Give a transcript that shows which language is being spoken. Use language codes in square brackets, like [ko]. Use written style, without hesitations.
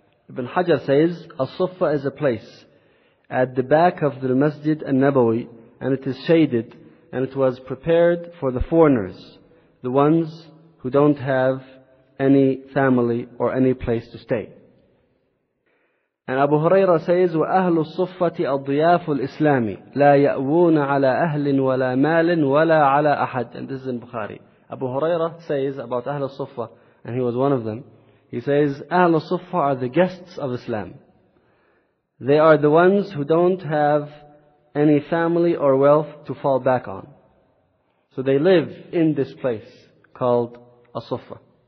[en] Ibn Hajar says, "As-Suffa is a place at the back of the Masjid al-Nabawi, and it is shaded, and it was prepared for the foreigners, the ones who don't have any family or any place to stay." [ar] And Abu Huraira says, "وَأَهْلُ الصُّفَّةِ أَضْيَافُ الْإِسْلَامِ لَا يَأْوُونَ عَلَىٰ أَهْلٍ وَلَا مَالٍ وَلَا عَلَىٰ أَحَدٍ." [en] And this is in Bukhari. Abu Huraira says about Ahl al-Suffa, and he was one of them. He says, "Ahl al-Suffa are the guests of Islam. They are the ones who don't have any family or wealth to fall back on. So they live in this place called al-Suffa."